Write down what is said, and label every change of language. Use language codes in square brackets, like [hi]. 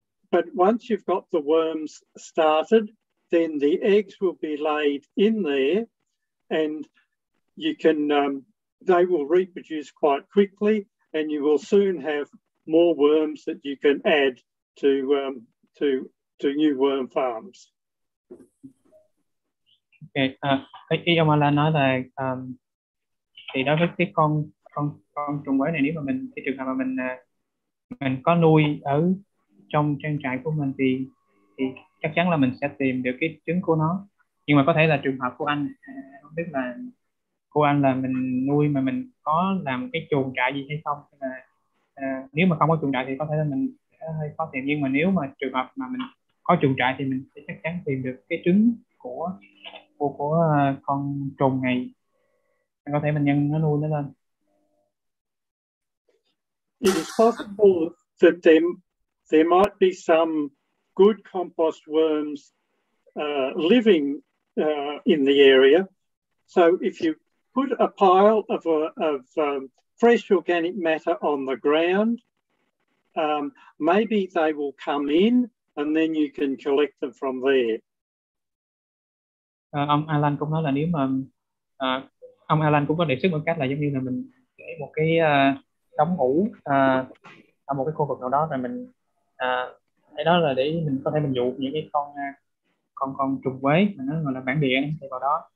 [en] But once you've got the worms started, then the eggs will be laid in there, and you can they will reproduce quite quickly, and you will soon have more worms that you can add to new worm farms. [vi] Ý ông Alan nói là thì đối với cái con trùng quái này, nếu mà mình cái trường hợp mà mình có nuôi ở trong trang trại của mình thì chắc chắn là mình sẽ tìm được cái trứng của nó. Nhưng mà có thể là trường hợp của anh, không biết là của anh là mình nuôi mà mình có làm cái chuồng trại gì hay không, là nếu mà không có chuồng trại thì có thể là mình hơi khó tìm. Nhưng mà nếu mà trường hợp mà mình có chuồng trại thì mình sẽ chắc chắn tìm được cái trứng của con trùng này, có thể mình nhân nó nuôi nó lên. [en] It is possible that there might be some good compost worms living in the area. So if you put a pile of fresh organic matter on the ground, maybe they will come in and then you can collect them from there. [vi] Ông Alan cũng nói là nếu mà ông Alan cũng có đề xuất một cách là giống như là mình để một cái đống ủ ở một cái khu vực nào đó, rồi mình đó là để mình có thể mình dụ những cái con trùng quế mà nó gọi là bản địa thì vào đó.